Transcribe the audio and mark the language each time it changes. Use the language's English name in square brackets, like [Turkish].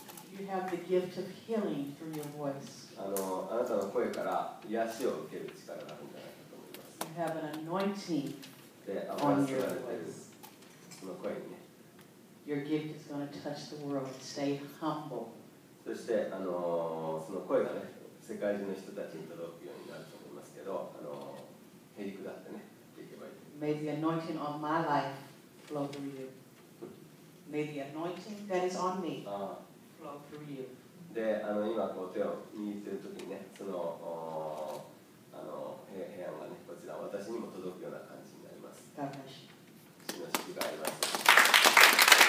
[English] You have the gift of healing through your voice. You have an anointing on your voice. Your gift is going to touch the world. Stay humble. [Japanese] そして、その声がね、世界中の人たちに届くようになると思いますけど、へりくだってね、できればいい。 [English] May the anointing on my life flow through you. May the anointing that is on me flow through you. [Japanese] で、今こう手を握っているときにね、その、平安がね、こちら私にも届くような感じになります。主の祝福があります。